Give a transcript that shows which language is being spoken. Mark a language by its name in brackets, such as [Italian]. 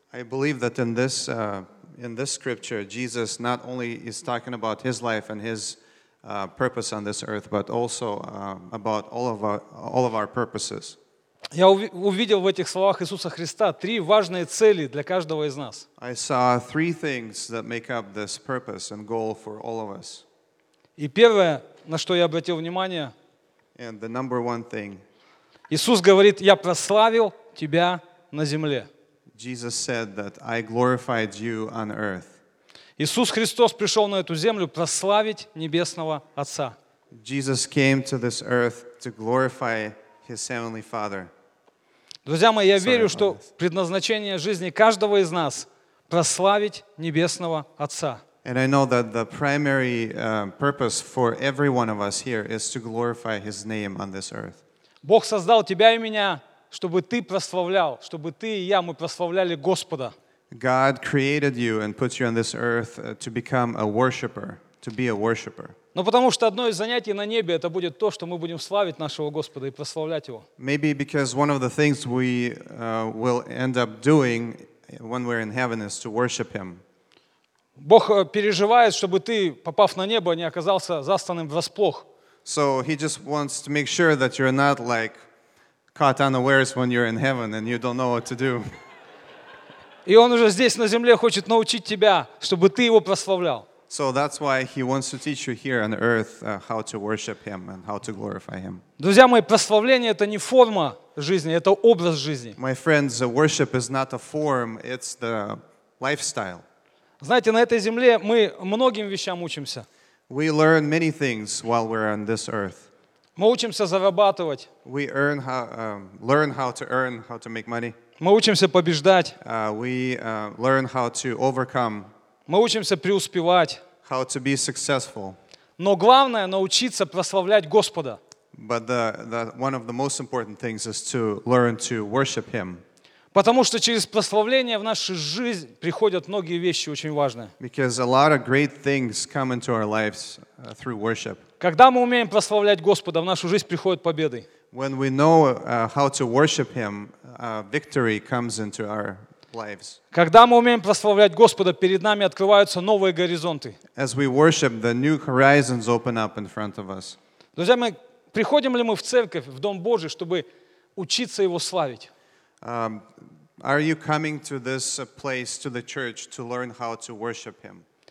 [English] I believe that in this scripture, Jesus not only is talking about his life and his purpose on this earth, but also about all of our purposes. [Russian] Я увидел в этих словах Иисуса Христа три важные цели для каждого из нас. [English] I saw three things that make up this purpose and goal for all of us. [Russian] И первое, на что я обратил внимание, [English] and the number one thing, [Russian] Иисус говорит, я прославил тебя на земле. [English] Jesus said that I glorified you on earth. [Russian] Иисус Христос пришел на эту землю прославить Небесного Отца. [English] Jesus came to this earth to glorify His Heavenly Father. [Russian] Друзья мои, я верю, что предназначение жизни каждого из нас прославить Небесного Отца. [English] And I know that the primary purpose for every one of us here is to glorify His name on this earth. [Russian] Бог создал тебя и меня, чтобы ты прославлял, чтобы ты и я, мы прославляли Господа. [English] God created you and put you on this earth to become a worshiper, to be a worshiper. [Russian] Но потому что одно из занятий на небе это будет то, что мы будем славить нашего Господа и прославлять Его. [English] Maybe because one of the things we will end up doing when we're in heaven is to worship Him. [Russian] Бог переживает, чтобы ты, попав на небо, не оказался застанным врасплох. [English] So He just wants to make sure that you're not like caught unawares when you're in heaven and you don't know what to do. [Russian] И он уже здесь на земле хочет научить тебя, чтобы ты его прославлял. [English] So that's why he wants to teach you here on earth how to worship him and how to glorify him. [Russian] Друзья мои, прославление это не форма жизни, это образ жизни. [English] My friends, worship is not a form, it's the lifestyle. [Russian] Знаете, на этой земле мы многим вещам учимся. [English] We learn many things while we're on this earth. [Russian] Мы учимся зарабатывать. [English] We learn how to make money. [Russian] Мы учимся побеждать. [English] We learn how to overcome. [Russian] Мы учимся преуспевать. [English] How to be successful. [Russian] Но главное научиться прославлять Господа. [English] But the one of the most important things is to learn to worship Him. [Russian] Потому что через прославление в нашу жизнь приходят многие вещи очень важные. [English] Because a lot of great things come into our lives through worship. [Russian] Когда мы умеем прославлять Господа, в нашу жизнь приходят победы. [English] When we know how to worship Him, victory comes into our lives. [Russian] Когда мы умеем прославлять Господа, перед нами открываются новые горизонты. [English] As we worship, the new horizons open up in front of us. [Russian] Друзья мои, приходим ли мы в церковь, в Дом Божий, чтобы учиться Его славить? [English] Are you coming to this place, to the church, to learn how to worship Him?